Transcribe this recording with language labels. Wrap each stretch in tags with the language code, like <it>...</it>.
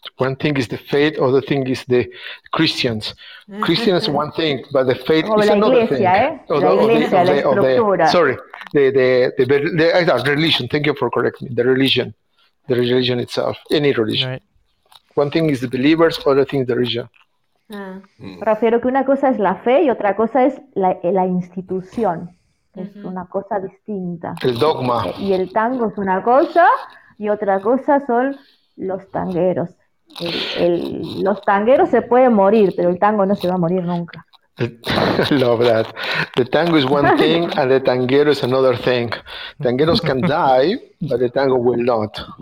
<en>One thing is the faith, other thing is the Christians. Christians one thing, but the faith is another thing.</en> <es>La iglesia, la estructura.</es> <en>Sorry, the religion. Thank you for correcting me. The religion itself, any religion. Right. One thing is the believers, other thing is the religion.</en> <es>Refiero que una cosa es la fe y otra cosa es la institución. Es una cosa distinta. El dogma. Y el tango es una cosa y otra cosa son los tangueros. Los tangueros se pueden morir, pero el tango no se va a morir nunca.</es> <en>I love that. The tango is one thing and the tanguero is another thing. Tangueros can die, but the tango will not.</en>